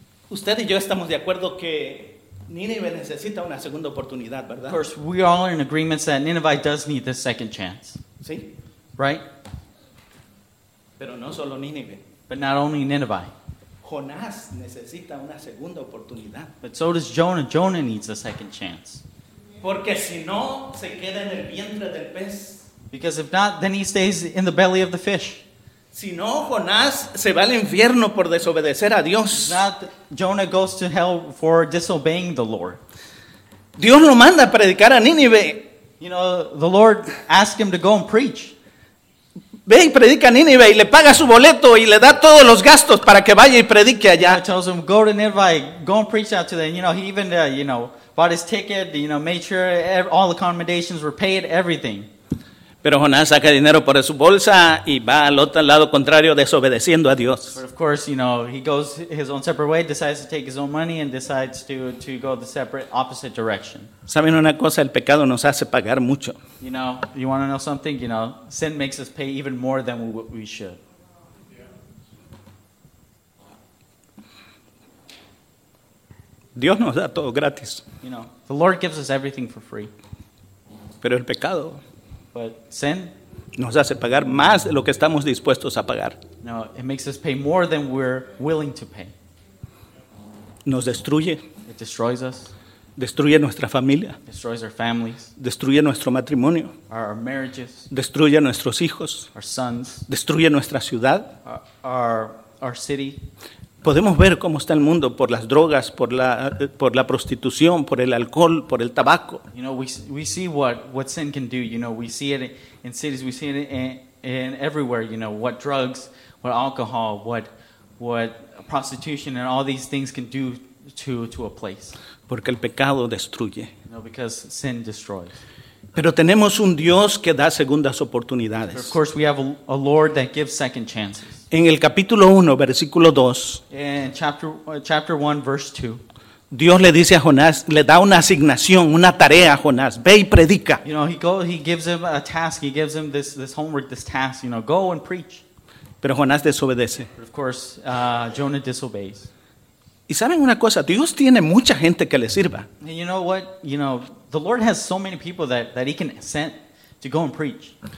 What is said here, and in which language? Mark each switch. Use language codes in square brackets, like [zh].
[es] Usted y yo estamos de acuerdo que Nínive necesita una segunda oportunidad, ¿verdad? [en] Of course, we all are in agreement that Nineveh does need this second chance. [es] ¿Sí? [en] Right? [es] Pero no solo Nínive. [en] But not only Nineveh. [es] Jonás necesita una segunda oportunidad. [en] But so does Jonah. Jonah needs a second chance. [es] Porque si no, se queda en el vientre del pez. [en] Because if not, then he stays in the belly of the fish. [es] Si no, Jonás se va al infierno por desobedecer a Dios. [en] Not Jonah goes to hell for disobeying the Lord. [es] Dios lo manda a predicar a Nínive. [en] You know, the Lord asked him to go and preach. [es] Ve y predica a Nínive y le paga su boleto y le da todos los gastos para que vaya y predique allá. [en] He tells him, go to Nineveh, go and preach out to them. You know, he even, you know, bought his ticket, you know, made sure all accommodations were paid, everything. [es] Pero Jonás saca dinero por su bolsa y va al otro lado contrario desobedeciendo a Dios. [en] But of course, you know, he goes his own separate way, decides to take his own money and decides to go the separate opposite direction. [es] ¿Saben una cosa? El pecado nos hace pagar mucho. [en] You know, you want to know something? You know, sin makes us pay even more than we should. [es] Dios nos da todo gratis. [en] You know, the Lord gives us everything for free. [es] Pero el pecado, [en] but sin, [es] nos hace pagar más de lo que estamos dispuestos a pagar. [en] No, it makes us pay more than we're willing to pay. [es] Nos destruye. [en] It destroys us. [es] Destruye nuestra familia. [en] Destroys our families. [es] Destruye nuestro matrimonio. [en] Our marriages. [es] Destruye nuestros hijos. [en] Our sons. [es] Destruye nuestra ciudad. [en] Our city. [es] Podemos ver cómo está el mundo por las drogas, por la prostitución, por el alcohol, por el tabaco. [en] You know, we see what sin can do. You know, we see it in cities, we see it in everywhere. You know, what drugs, what alcohol, what prostitution and all these things can do to a place. [es] Porque el pecado destruye. [en] You know, because sin destroys. [es] Pero tenemos un Dios que da segundas oportunidades. [en] But of course, we have a Lord that gives second chances. [es] En el capítulo 1, versículo 2. [en] In chapter 1, verse 2. [es] Dios le dice a Jonás, le da una asignación, una tarea a Jonás. Ve y predica. [en] You know, he gives him a task. He gives him this homework, this task. You know, go and preach. [es] Pero Jonás desobedece. [en] But of course, Jonah disobeys. [es] Y saben una cosa, Dios tiene mucha gente que le sirva. [en] And you know what? You know, the Lord has so many people that he can send to go and preach.